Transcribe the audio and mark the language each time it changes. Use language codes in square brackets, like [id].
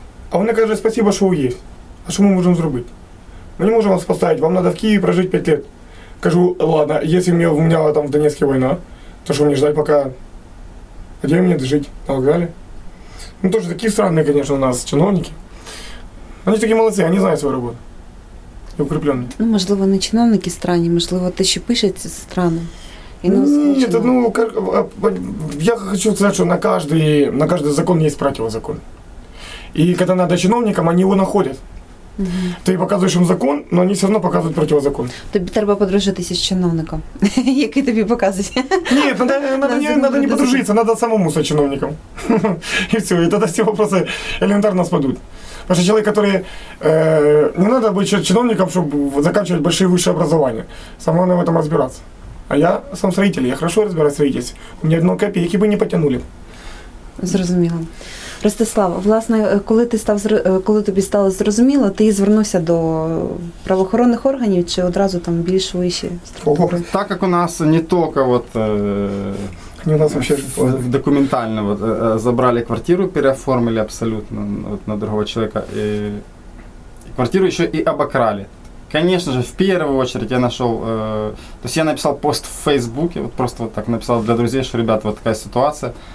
[ru] А он говорит, спасибо, что вы есть. А что мы можем сделать? Мы не можем вас поставить, вам надо в Киеве прожить 5 лет. Кажу, ладно, если у меня там в Донецке война, то что мне ждать пока? Где мне жить? Так далее. Ну тоже такие странные, конечно, у нас чиновники. Они такие молодцы, они знают свою работу. Укреплений. [uk] Ну, можливо, не чиновники странні, можливо, те, що пишеться странно. Ні, ну, я хочу сказати, що на кожен закон є противозакон. І коли треба чиновникам, вони його знаходять. Угу. Ти показуєш їм закон, але вони все одно показують противозакон. Тобі треба подружитися з чиновником, який тобі показує. Ні, треба не подружитися, треба самому з чиновником. І все, і тоді всі питання елементарно спадуть. [ru] Потому что человек, который... не надо быть чиновником, чтобы заканчивать большие высшие образования. Самому надо в этом разбираться. А я сам строитель, я хорошо разбираюсь в строительстве. У меня одну копейки бы не потянули. [uk] Зрозуміло. Ростислав, власне, коли тобі стало зрозуміло, ти звернувся до правоохоронних органів чи одразу там більш вищі структури? Так як у нас не тільки от... [ru] У нас вообще документально вот, забрали квартиру, переоформили абсолютно вот, на другого человека. И квартиру еще и обокрали. Конечно же, в первую очередь я нашел, то есть я написал пост в Фейсбуке, вот просто вот так написал для друзей, что, ребята, вот такая ситуация.